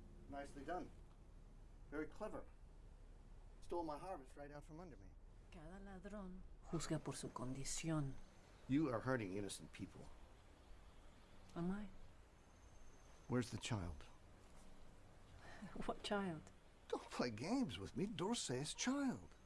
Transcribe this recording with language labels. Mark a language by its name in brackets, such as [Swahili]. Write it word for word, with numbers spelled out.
[English] Nicely done. Very clever. Stole my harvest right out from under me. [Spanish] Cada ladrón juzga por su condición. [English] You are hurting innocent people. Am I? Where's the child? What child? Don't play games with me. Dulce's child.